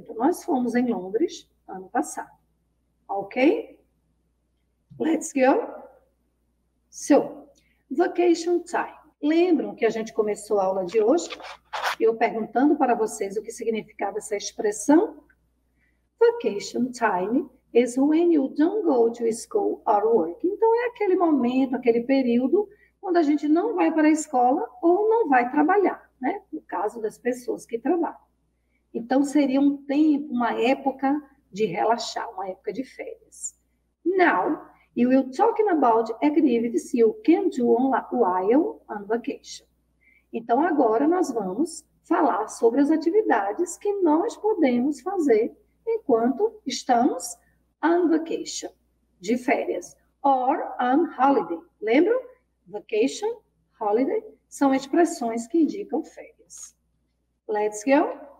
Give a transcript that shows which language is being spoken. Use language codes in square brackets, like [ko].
[pt] Então, nós fomos em Londres ano passado. Ok? [en] Let's go. So, vacation time. [pt] Lembram que a gente começou a aula de hoje? Eu perguntando para vocês o que significava essa expressão? [en] Vacation time is when you don't go to school or work. [pt] Então, é aquele momento, aquele período, quando a gente não vai para a escola ou não vai trabalhar, né? No caso das pessoas que trabalham. Então, seria um tempo, uma época de relaxar, uma época de férias. [en] Now, you will talking about activities you can do while on vacation. [pt] Então, agora nós vamos falar sobre as atividades que nós podemos fazer enquanto estamos on vacation, de férias, or on holiday. Lembram? Vacation, holiday, são expressões que indicam férias. [en] Let's go.